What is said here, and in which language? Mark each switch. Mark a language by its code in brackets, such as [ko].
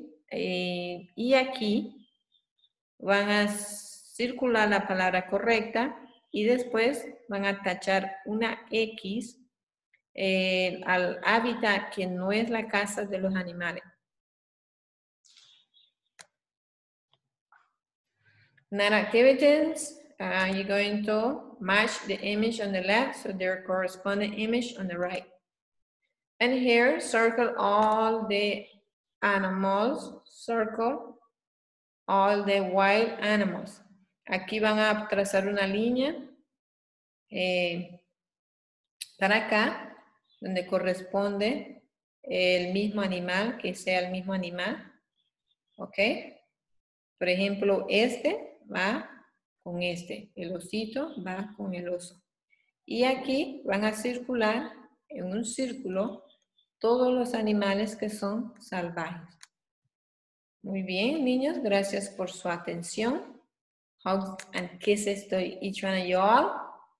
[es] Y aquí van a circular la palabra correcta y después van a tachar una X al hábitat que no es la casa de los animales. [en] Now activities, you're going to match the image on the left so their corresponding image on the right. And here, circle all the animals, circle all the wild animals. [es] Aquí van a trazar una línea para acá, donde corresponde el mismo animal, que sea el mismo animal. Ok. Por ejemplo, este va con este, el osito va con el oso. Y aquí van a circular en un círculo todos los animales que son salvajes. Muy bien, niños, gracias por su atención. [en] Hugs and kisses to each one of y'all.